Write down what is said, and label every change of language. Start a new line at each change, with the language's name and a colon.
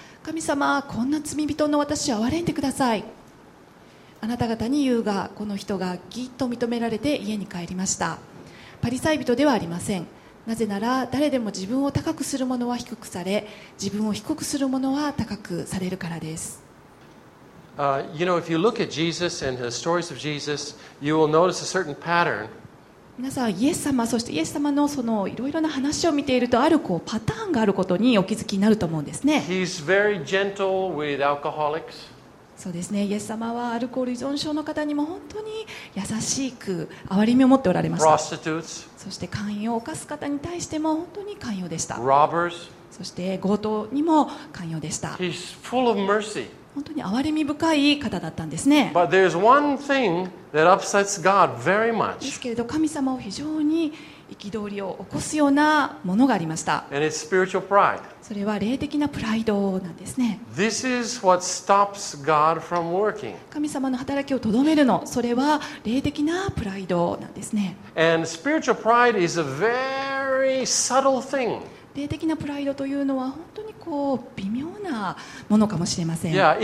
Japanese: 神様、こんな罪人の私を憐れんでください。あなた方に言うがこの人がぎっと認められて家に帰りました。パリサイ人ではありません。なぜなら誰でも自分を高くする者は低くされ自分を低くする者は高くされるからです。
English: You know, if you look at Jesus and the stories of Jesus, you will notice a certain pattern.
Japanese: 皆さん、イエス様、そしてイエス様のそのいろいろな話を見ていると、あるこうパターンがあることにお気づきになると思うんですね。
English: He's very gentle with alcoholics.
Japanese: そうですね。イエス様はアルコール依存症の方にも本当に優しく憐れみを持っておられました。
English: Prostitutes.
Japanese: そして勧誘を犯す方に対しても本当に寛容でした。
English: Robbers.
Japanese: そして強盗にも寛容でした。
English: He's full of mercy.
Japanese: 本当に憐れみ深い方だったんですね。
English: But there's one thing that upsets God very much.
Japanese: ですけれど神様を非常に憤りを起こすようなものがありました。
English: And it's spiritual pride.
Japanese: それは霊的なプライドなんですね。
English: This is what stops God from working.
Japanese: 神様の働きをとどめるの、それは霊的なプライドなんですね。
English: And spiritual pride is a very subtle thing.
Japanese: 霊的なプライドというのは本当にこう微妙なものかもしれません。